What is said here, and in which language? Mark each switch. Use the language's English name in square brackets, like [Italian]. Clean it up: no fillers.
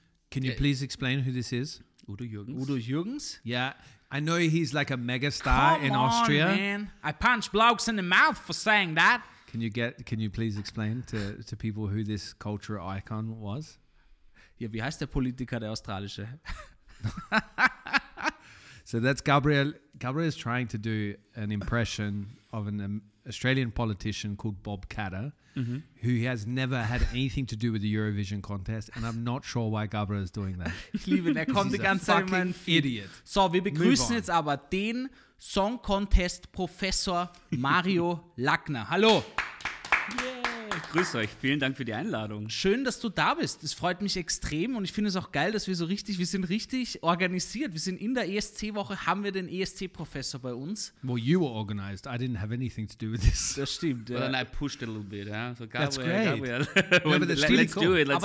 [English] Can you please explain who this is? Udo Jürgens. Udo Jürgens? Yeah. I know he's like a megastar in Austria. Come on, man. I punch blokes in the mouth for saying that. Can you please explain to people who this cultural icon was? [German] Ja, wie heißt der Politiker, der Australische? [English] So that's Gabriel. Gabriel is trying to do an impression of an Australian politician called Bob Catter, mm-hmm. who has never had anything to do with the Eurovision contest, and I'm not sure why Gabriel is doing that. [German] Ich liebe, er kommt die ganze Zeit in Idiot. So, wir begrüßen jetzt aber den Song Contest Professor Mario Lackner. Hallo. Grüß euch, vielen Dank für die Einladung. Schön, dass du da bist. Es freut mich extrem und ich finde es auch geil, dass wir so richtig, wir sind richtig organisiert. Wir sind in der ESC-Woche, haben wir den ESC-Professor bei uns. [English] Well, you were organized. I didn't have anything to do with this. [German] Das stimmt. [English] Well, then I pushed a little bit. Yeah? So, that's great. Yeah, but that's really let's cool. do it, let's